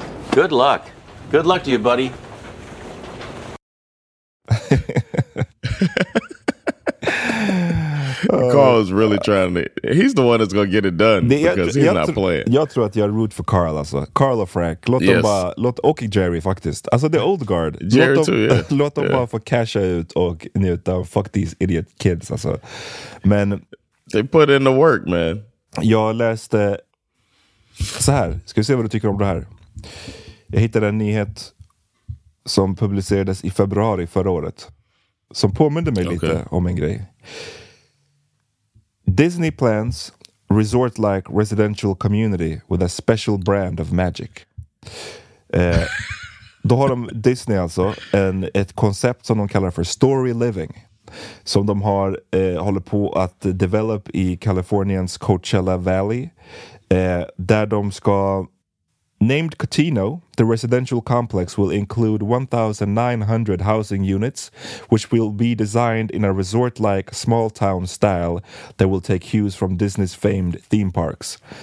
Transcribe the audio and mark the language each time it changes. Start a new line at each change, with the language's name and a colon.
English: Good luck. Good luck to you, buddy. Åh, Carl is really trying to, he's the one that's going to get it done because he's not playing.
Swedish: Jag tror att jag
English: root for
Swedish: Carl alltså. Carl och Frank, låt dem bara, låt och Jerry faktiskt.
English: Alltså the old guard. Jerry too,
Swedish: låt dem bara få casha ut och njuta av
English: fuck these idiot kids
Swedish: alltså. Men
English: they put in the work, man.
Swedish: Jag läste så här. Ska vi se vad du tycker om det här. Jag hittade en nyhet som publicerades i februari förra året som påminner mig lite om en grej.
English: Disney plans resort-like residential community with a special brand of magic.
Swedish: Då har de Disney alltså ett koncept som de kallar för story living, som de har håller på att develop i Californians Coachella Valley, där de ska,
English: named Catino, the residential complex will include 1,900 housing units, which will be designed in a resort-like small-town style that will take cues from Disney's famed theme parks.